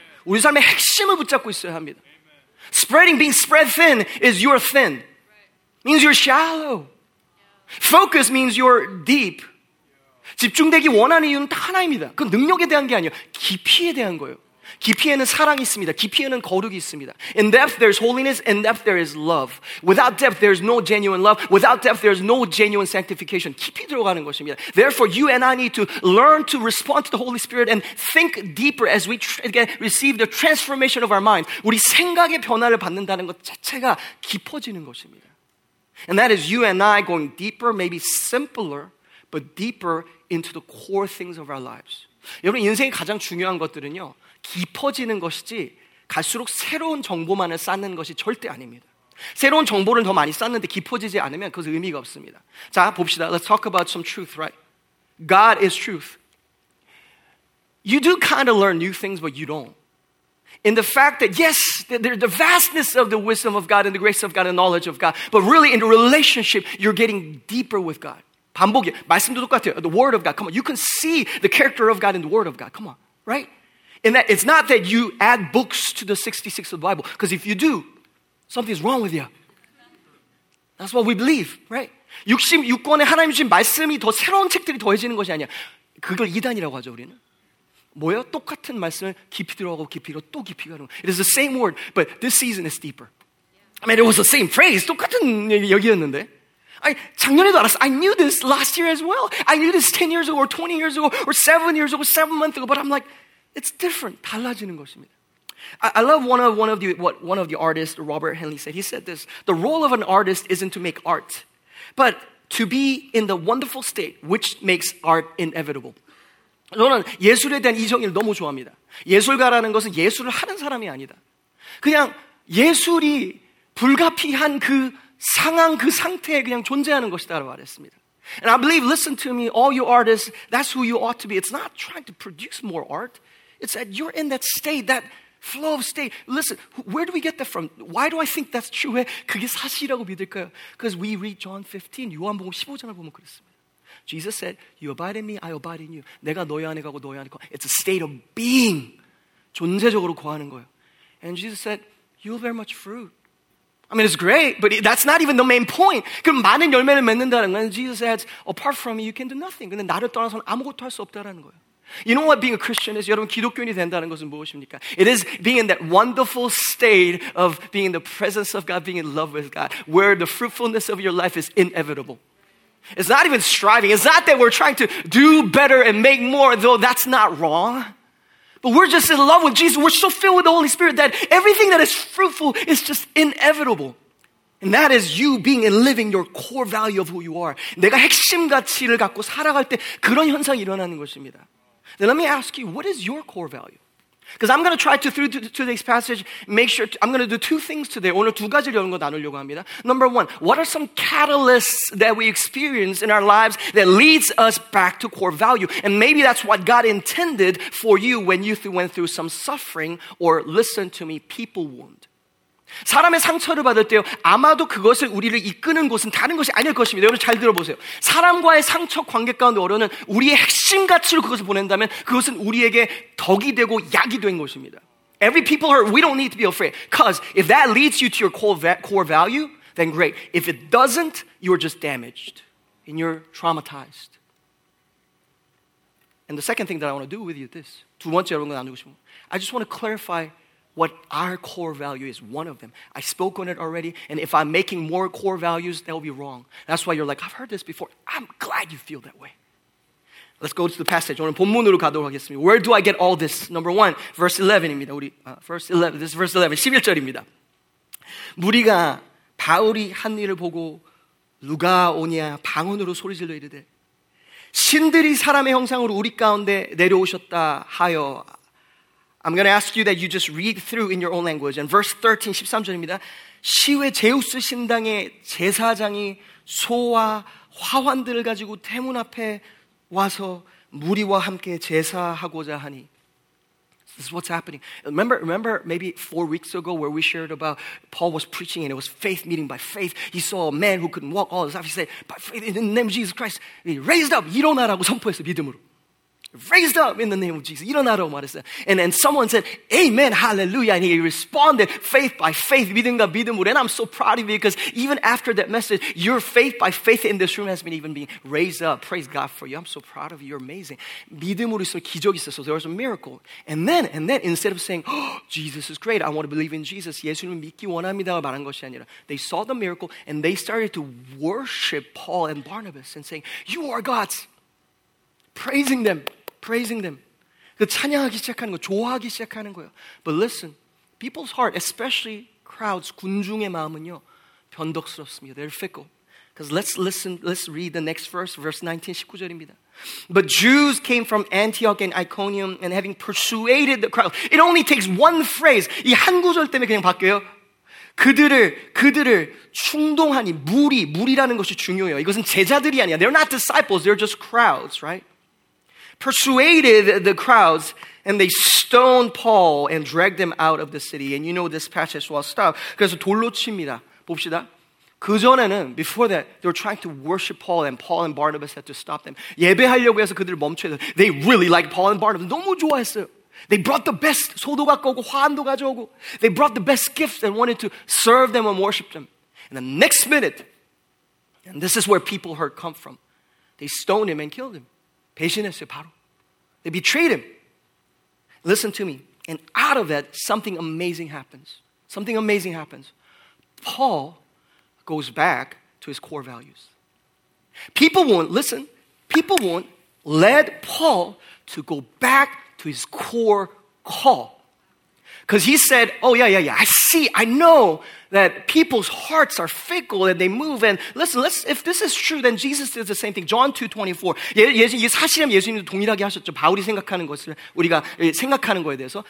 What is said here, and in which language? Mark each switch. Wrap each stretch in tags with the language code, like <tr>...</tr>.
<ko>우리 삶의 핵심을 붙잡고 있어야 합니다.</ko> <en>Spreading, being spread thin is you're thin. Means you're shallow. Focus means you're deep.</en> <ko>집중되기 원하는 이유는 딱 하나입니다. 그건 능력에 대한 게 아니에요. 깊이에 대한 거예요. 깊이에는 사랑이 있습니다. 깊이에는 거룩이 있습니다.</ko> <en>In depth, there's holiness. In depth, there is love. Without depth, there's no genuine love. Without depth, there's no genuine sanctification.</en> <ko>깊이 들어가는 것입니다.</ko> <en>Therefore, you and I need to learn to respond to the Holy Spirit and think deeper as we receive the transformation of our mind.</en> <ko>우리 생각의 변화를 받는다는 것 자체가 깊어지는 것입니다.</ko> <en>And that is you and I going deeper, maybe simpler, but deeper into the core things of our lives.</en> <ko>여러분, 인생의 가장 중요한 것들은요. 깊어지는 것이지 갈수록 새로운 정보만을 쌓는 것이 절대 아닙니다. 새로운 정보를 더 많이 쌓는데 깊어지지 않으면 그것은 의미가 없습니다. 자, 봅시다.</ko> <en>Let's talk about some truth, right? God is truth. You do kind of learn new things, but you don't. In the fact that, yes, the vastness of the wisdom of God and the grace of God and knowledge of God, but really in the relationship, you're getting deeper with God.</en> <ko>반복이에요. 말씀도 똑같아요.</ko> <en>The word of God, come on. You can see the character of God in the word of God. Come on, right? And that it's not that you add books to the 66 of the Bible. Because if you do, something's wrong with you. That's what we believe, right?</en> <ko>66권에 하나님 주신 말씀이 더 새로운 책들이 더해지는 것이 아니야. 그걸 이단이라고 하죠, 우리는. 뭐예요? 똑같은 말씀을 깊이 들어가고 깊이 들어가고 또 깊이 가는 거예요.</ko> <en>It is the same word, but this season is deeper. I mean, it was the same phrase.</en> <ko>똑같은 얘기였는데. 작년에도 알았어.</ko> <en>I knew this last year as well. I knew this 10 years ago or 20 years ago or 7 years ago, 7 months ago. But I'm like... It's different.</en> <ko>달라지는 것입니다.</ko> <en>I love one of the artists, Robert Henley, said. He said this, the role of an artist isn't to make art, but to be in the wonderful state which makes art inevitable.</en> <ko>저는 예술에 대한 이 정의를 너무 좋아합니다. 예술가라는 것은 예술을 하는 사람이 아니다. 그냥 예술이 불가피한 그 상황, 그 상태에 그냥 존재하는 것이다 라고 말했습니다.</ko> <en>And I believe, listen to me, all you artists, that's who you ought to be. It's not trying to produce more art. It's that you're in that state, that flow of state. Listen, where do we get that from? Why do I think that's true?</en> <ko>왜 그게 사실이라고 믿을까요?</ko> <en>Because we read John 15,</en> <ko>요한복음 15장을 보면 그랬습니다.</ko> <en>Jesus said, you abide in me, I abide in you.</en> <ko>내가 너희 안에 가고 너희 안에 가고.</ko> <en>It's a state of being.</en> <ko>존재적으로 거하는 거예요.</ko> <en>And Jesus said, you'll bear much fruit. I mean, it's great, but that's not even the main point.</en> <ko>그럼 많은 열매를 맺는다는 건</ko> <en>Jesus says, apart from me, you can do nothing.</en> <ko>근데 나를 떠나서는 아무것도 할 수 없다라는 거예요.</ko> <en>You know what being a Christian is?</en> <ko>여러분, 기독교인이 된다는 것은 무엇입니까?</ko> <en>It is being in that wonderful state of being in the presence of God, being in love with God, where the fruitfulness of your life is inevitable. It's not even striving. It's not that we're trying to do better and make more, though that's not wrong. But we're just in love with Jesus. We're so filled with the Holy Spirit that everything that is fruitful is just inevitable. And that is you being and living your core value of who you are.</en> <ko>내가 핵심 가치를 갖고 살아갈 때 그런 현상이 일어나는 것입니다.</ko> <en>Then let me ask you, what is your core value? Because I'm going to try to, through today's passage, make sure, I'm going to do two things today.</en> <ko>오늘 두 가지를 여러분과 나누려고 합니다.</ko> <en>Number one, what are some catalysts that we experience in our lives that leads us back to core value? And maybe that's what God intended for you when you went through some suffering or, listen to me, people wound.</en> <ko>사람의 상처를 받을 때요 아마도 그것을 우리를 이끄는 곳은 다른 것이 아닐 것입니다 여러분 잘 들어보세요 사람과의 상처 관계 가운데 어려는 우리의 핵심 가치로 그것을 보낸다면 그것은 우리에게 덕이 되고 약이 된 것입니다</ko> <en>Every people hurt, we don't need to be afraid Because if that leads you to your core value, then great If it doesn't, you're just damaged And you're traumatized And the second thing that I want to do with you is this</en> <ko>두 번째 여러분과 나누고 싶은</ko> <en>I just want to clarify what our core value is, one of them. I spoke on it already, and if I'm making more core values, that will be wrong. That's why you're like, I've heard this before. I'm glad you feel that way. Let's go to the passage.</en> <ko>오늘 본문으로 가도록 하겠습니다.</ko> <en>Where do I get all this? Number one, verse 11입니다. 우리, verse 11,</en> <ko>11절입니다. 무리가 바울이 한 일을 보고 누가 오냐 방언으로 소리질러 이르되 신들이 사람의 형상으로 우리 가운데 내려오셨다 하여</ko> <en>I'm going to ask you that you just read through in your own language. And verse 13,</en> <ko>13절입니다. 시외 제우스 신당의 제사장이 소와 화환들을 가지고 대문 앞에 와서 무리와 함께 제사하고자 하니</ko> <en>This is what's happening. Remember maybe 4 weeks ago where we shared about Paul was preaching and it was faith meeting by faith. He saw a man who couldn't walk all his life. He said, by faith in the name of Jesus Christ, he raised up,</en> <ko>일어나라고 선포했어, 믿음으로.</ko> <en>Raised up in the name of Jesus,</en> <ko>일어나라고 말했어요.</ko> <en>And then someone said, amen, hallelujah. And he responded, faith by faith,</en> <ko>믿음과 믿음으로.</ko> <en>And I'm so proud of you because even after that message, your faith by faith in this room has been even being raised up. Praise God for you. I'm so proud of you. You're amazing.</en> <ko>믿음으로 있어 기적이 있어.</ko> <en>So there was a miracle. And then instead of saying, oh, Jesus is great, I want to believe in Jesus,</en> <ko>예수님 믿기 원합니다 말한 것이 아니라,</ko> <en>they saw the miracle and they started to worship Paul and Barnabas and saying, you are God's. Praising them.</en> <ko>그 찬양하기 시작하는 거, 좋아하기 시작하는 거예요.</ko> <en>But listen, people's heart, especially crowds,</en> <ko>군중의 마음은요, 변덕스럽습니다.</ko> <en>They're fickle. Because let's read the next verse, verse 19,</en> <ko>19절입니다.</ko> <en>But Jews came from Antioch and Iconium, and having persuaded the crowd, it only takes one phrase.</en> <ko>이 한 구절 때문에 그냥 바뀌어요. 그들을 충동하니, 무리라는 것이 중요해요. 이것은 제자들이 아니야.</ko> <en>They're not disciples, they're just crowds, right? Persuaded the crowds, and they stoned Paul and dragged him out of the city. And you know this passage well. Stop.</en> <ko>그래서 돌로 칩니다. 봅시다. 그전에는,</ko> <en>before that, they were trying to worship Paul, and Paul and Barnabas had to stop them.</en> <ko>예배하려고 해서 그들을 멈춰야 돼.</ko> <en>They really liked Paul and Barnabas.</en> <ko>너무 좋아했어요.</ko> <en>They brought the best.</en> <ko>소도 갖고 오고, 화환도 가져오고.</ko> <en>They brought the best gifts and wanted to serve them and worship them. And the next minute, and this is where people heard come from, they stoned him and killed him.</en> <ko>배신했어요, 바로.</ko> <en>They betrayed him. Listen to me. And out of that, something amazing happens. Something amazing happens. Paul goes back to his core values. People won't let Paul to go back to his core call. Because he said, oh, yeah, I see, I know that people's hearts are fickle and they move. And listen, if this is true, then Jesus did the same thing. John 2:24.</en> <ko>예, 사실은 예수님도 동일하게 하셨죠. 바울이 생각하는 것을, 우리가 생각하는 것에 대해서.</ko>